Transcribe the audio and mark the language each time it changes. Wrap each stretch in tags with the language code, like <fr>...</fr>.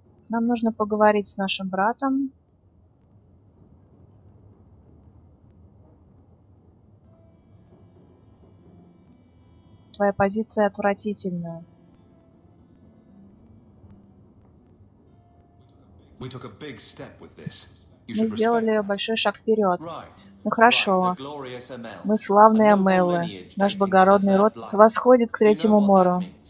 <ru>Нам нужно поговорить с нашим братом. Твоя позиция отвратительная. Мы</ru> <en>took a big step with this.</en> <ru>Мы сделали большой шаг вперед.</ru> <en>Right.</en> <ru>Ну хорошо.</ru> <en>Right.</en> <ru>Мы славные Амеллы. Наш благородный род восходит к Третьему Мору.</ru>